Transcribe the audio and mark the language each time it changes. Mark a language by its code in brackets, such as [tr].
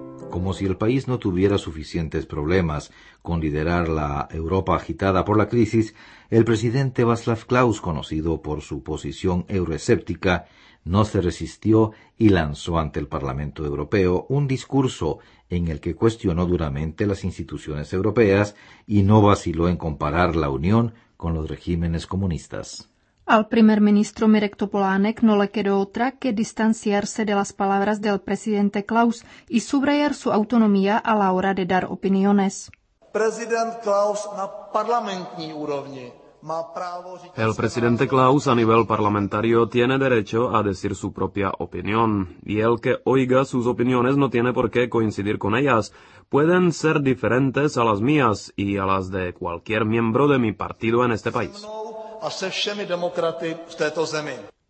[es] Como si el país no tuviera suficientes problemas con liderar la Europa agitada por la crisis, el presidente Václav Klaus, conocido por su posición euroescéptica, no se resistió y lanzó ante el Parlamento Europeo un discurso en el que cuestionó duramente las instituciones europeas y no vaciló en comparar la Unión con los regímenes comunistas. Al primer ministro Mirek Topolánek no le quedó otra que distanciarse de las palabras del presidente Klaus y subrayar su autonomía a la hora de dar opiniones. [cs] Prezident Klaus na parlamentní úrovni má právo říct. [es] El presidente Klaus a nivel parlamentario tiene derecho a decir su propia opinión. Y el que oiga sus opiniones no tiene por qué coincidir con ellas. Pueden ser diferentes a las mías y a las de cualquier miembro de mi partido en este país. [cs] A se všemi demokraty v této zemi.